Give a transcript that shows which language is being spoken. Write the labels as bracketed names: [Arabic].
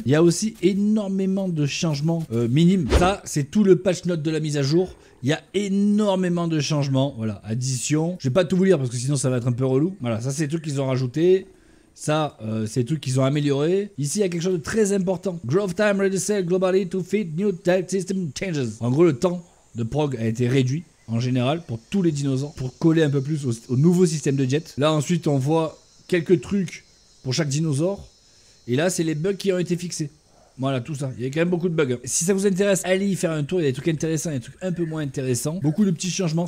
[French] Il y a aussi énormément de changements minimes. Ça c'est tout le patch note de la mise à jour. Il y a énormément de changements. Voilà, addition. Je vais pas tout vous lire parce que sinon ça va être un peu relou. Voilà, ça c'est tout qu'ils ont rajouté. Ça, c'est tout qu'ils ont amélioré. Ici, il y a quelque chose de très important. [English] Growth time reduced globally to fit new type system changes. [French] En gros, le temps de prog a été réduit, en général, pour tous les dinosaures, pour coller un peu plus au nouveau système de jet. Là, ensuite, on voit quelques trucs pour chaque dinosaure. Et là, c'est les bugs qui ont été fixés. Voilà, tout ça. Il y a quand même beaucoup de bugs. Si ça vous intéresse, allez y faire un tour. Il y a des trucs intéressants, des trucs un peu moins intéressants. Beaucoup de petits changements.